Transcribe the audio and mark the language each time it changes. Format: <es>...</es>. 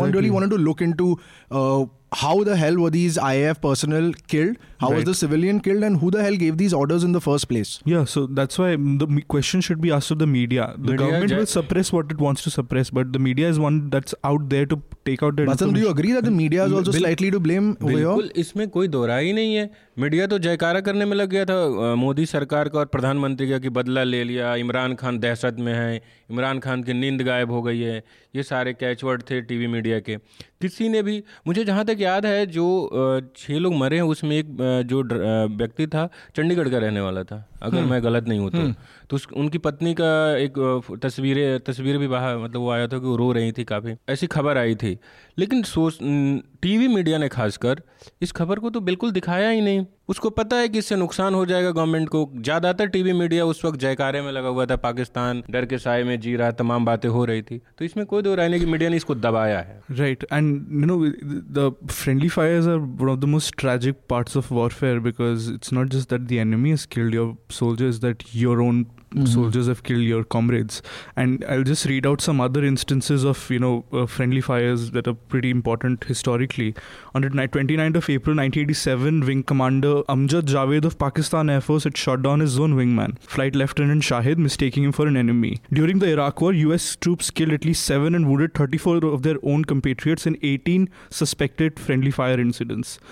<en>No one really wanted to look into how the hell were these IAF personnel killed? How right. was the civilian killed? And who the hell gave these orders in the first place? Yeah, so that's why the question should be asked of the media. The media government will suppress what it wants to suppress, but the media is one that's out there to take out their information. Basan, do you agree that the media is also slightly to blame over here?</en> <hi>बिल्कुल, इसमें कोई दोहरा ही नहीं है. Media तो जयकारा करने में लग गया था मोदी सरकार का और प्रधानमंत्री का कि बदला ले लिया, इमरान खान दहशत में है, इमरान खान की नींद गायब हो गई है. ये सारे कैचवर्ड थे टीवी मीडिया के. किसी ने भी, मुझे जहाँ तक याद है, जो 6 लोग मरे हैं उसमें एक जो व्यक्ति था चंडीगढ़ का रहने वाला था, अगर मैं गलत नहीं हूँ तो उस उनकी पत्नी का एक तस्वीर भी बाहर, मतलब वो आया था कि वो रो रही थी काफ़ी, ऐसी खबर आई थी. लेकिन टीवी मीडिया ने खासकर इस खबर को तो बिल्कुल दिखाया ही नहीं. उसको पता है कि इससे नुकसान हो जाएगा गवर्नमेंट को. ज़्यादातर टीवी मीडिया उस वक्त जयकारे में लगा हुआ था, पाकिस्तान डर के साए में जी रहा, तमाम बातें हो रही थी. तो इसमें कोई दो राय नहीं कि मीडिया ने इसको दबाया है.</hi> <en>Right, and you know the friendly fires are one of the most tragic parts of warfare, because it's not just that the enemy has killed your soldiers, that your own soldiers have killed your comrades. And I'll just read out some other instances of, you know, friendly fires that are pretty important historically. On the 29th of April 1987, Wing Commander Amjad Javed of Pakistan Air Force had shot down his own wingman, Flight Lieutenant Shahid, mistaking him for an enemy. During the Iraq War, US troops killed at least 7 and wounded 34 of their own compatriots in 18 suspected friendly fire incidents.</en>